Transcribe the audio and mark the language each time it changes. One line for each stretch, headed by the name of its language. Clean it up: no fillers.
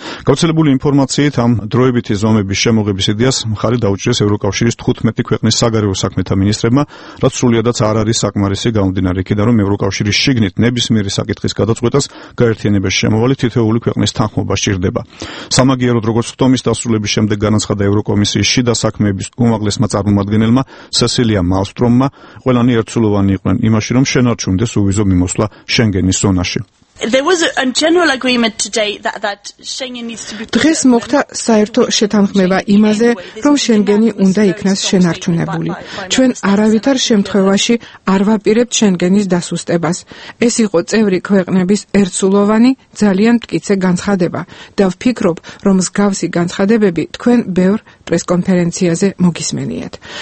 Georgian: გავრცელებული ინფორმაციით, ამ დროებითი ზომების შემოღების იდეას მხარი დაუჭირეს ევროკავშირის 15 ქვეყნის საგარეო საქმეთა მინისტრებმა, რაც სრულიადაც არ არის საკმარისი გამომდინარე იქიდან, რომ ევროკავშირის შიგნით ნებისმიერი საკითხის გადაწყვეტას გაერთიანების შემოვალი თითოეული ქვეყნის თანხმობა სჭირდება. სამაგიეროდ, როგორც ხტომის დასრულების შემდეგ განაცხადა ევროკომისიის შიდა საქმეების უმაღლესმა წარმომადგენელმა სესილია მალსტრომმა, ყველანი ერთსულოვანი იყვნენ იმაში, რომ შენარჩუნდეს უვიზო მიმოსვლა შენგენის ზონაში.
English: There was a general agreement today that Schengen needs to be
Georgian: დღეს მოხდა საერთო შეთანხმება იმაზე, რომ შენგენი უნდა იქნას შენარჩუნებული. ჩვენ არავითარ შემთხვევაში არ ვაპირებთ შენგენის დასუსტებას. ეს იყო წევრი ქვეყნების ერთსულოვანი ძალიან მტკიცე განცხადება და ვფიქრობ, რომ მსგავსი განცხადებები თქვენ ბევრ პრესკონფერენციაზე მოგისმენიათ.